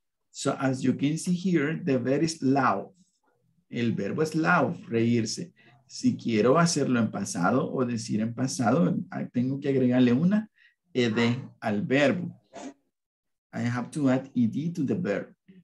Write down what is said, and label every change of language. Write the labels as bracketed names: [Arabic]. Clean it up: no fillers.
[English] So as you can see here, the verb is love. [Spanish] El verbo es love, reírse. Si quiero hacerlo en pasado o decir en pasado, tengo que agregarle una ed al verbo. [English] I have to add ed to the verb.